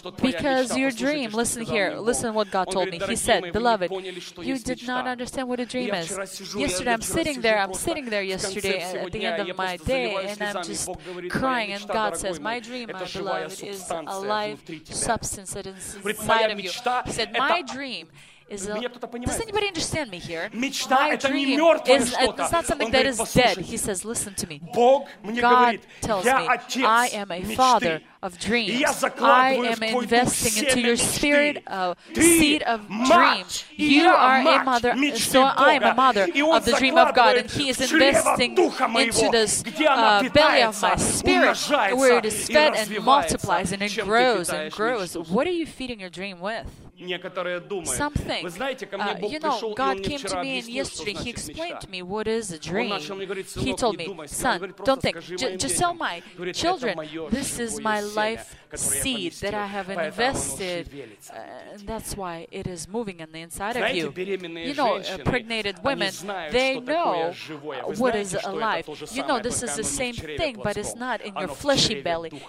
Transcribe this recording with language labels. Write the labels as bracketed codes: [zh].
[en] Because your dream, listen here, listen what God told me. He said, beloved, you did not understand what a dream is. Yesterday, I'm sitting there yesterday at the end of my day, and I'm just crying, and God says, my dream, my beloved, is a live substance that is inside of you. He said, my dream is a... Does anybody understand me here? [ru] Мечта — это не мёртвое что-то. [en] It's not something that is dead. He says, listen to me. [ru] Бог мне говорит, я отец мечты. [en] I am a father of dreams. [ru] Я закладываю в твой дух семя мечты. [en] I am investing into your spirit a seed of dreams. You are a mother, so I am a mother of the dream of God, and he is investing into this belly of my spirit where it is fed and multiplies and it grows and grows. What are you feeding your dream with? [ru] Некоторые думают. [en] Some think, [ru] вы знаете, ко мне Бог пришел, [en] know, [ru] и он мне вчера объяснил, что значит мечта. [en] He to me, what is a dream? [ru] Он начал мне говорить, сынок, не думай, сынок, [en] don't think, just tell my children, this is my life seed that I have invested, and that's why it is moving in the inside of you. You know, pregnant women, they know what is alive. You know, this is the same thing, but it's not in your fleshy belly.